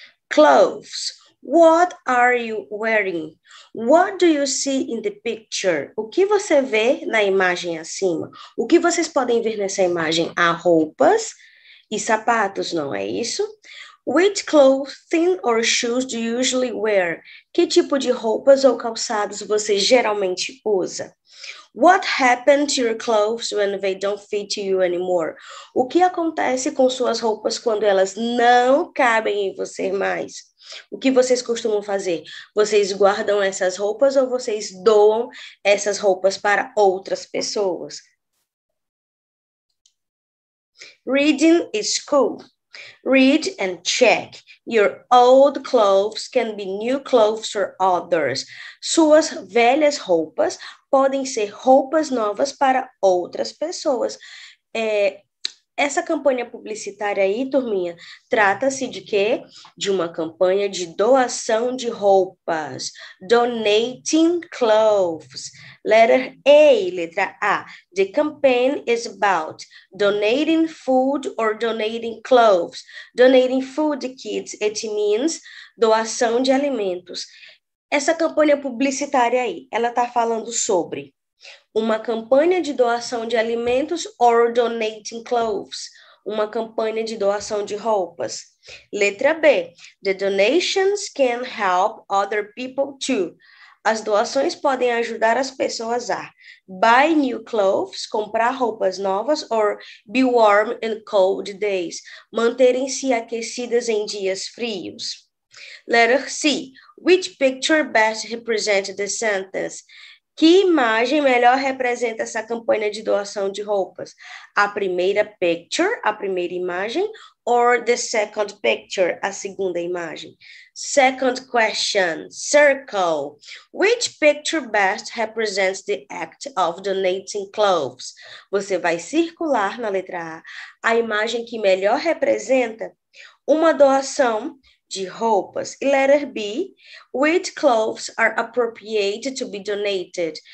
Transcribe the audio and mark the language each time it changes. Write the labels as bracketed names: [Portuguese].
[English] Clothes. What are you wearing? What do you see in the picture? [Portuguese] O que você vê na imagem acima? O que vocês podem ver nessa imagem? Há roupas e sapatos, não é isso? [English] Which clothing or shoes do you usually wear? [Portuguese] Que tipo de roupas ou calçados você geralmente usa? [English] What happened to your clothes when they don't fit you anymore? [Portuguese] O que acontece com suas roupas quando elas não cabem em você mais? O que vocês costumam fazer? Vocês guardam essas roupas ou vocês doam essas roupas para outras pessoas? [English] Reading is cool. Read and check. Your old clothes can be new clothes for others. [Portuguese] Suas velhas roupas podem ser roupas novas para outras pessoas. Essa campanha publicitária aí, turminha, trata-se de quê? De uma campanha de doação de roupas. [English] Donating clothes. Letter A, [Portuguese] letra A. [English] The campaign is about donating food or donating clothes. Donating food, kids, it means [Portuguese] doação de alimentos. Essa campanha publicitária aí, ela está falando sobre uma campanha de doação de alimentos [English] or donating clothes. [Portuguese] Uma campanha de doação de roupas. Letra B. [English] The donations can help other people too. [Portuguese] As doações podem ajudar as pessoas a [English] buy new clothes, [Portuguese] comprar roupas novas, [English] or be warm in cold days, [Portuguese] manterem-se aquecidas em dias frios. [English] Letter C. Which picture best represents the sentence? [Portuguese] Que imagem melhor representa essa campanha de doação de roupas? A primeira picture, a primeira imagem, [English] or the second picture, [Portuguese] a segunda imagem? [English] Second question, circle. Which picture best represents the act of donating clothes? [Portuguese] Você vai circular na letra A, a imagem que melhor representa uma doação de roupas. [English] E letter B, which clothes are appropriate to be donated?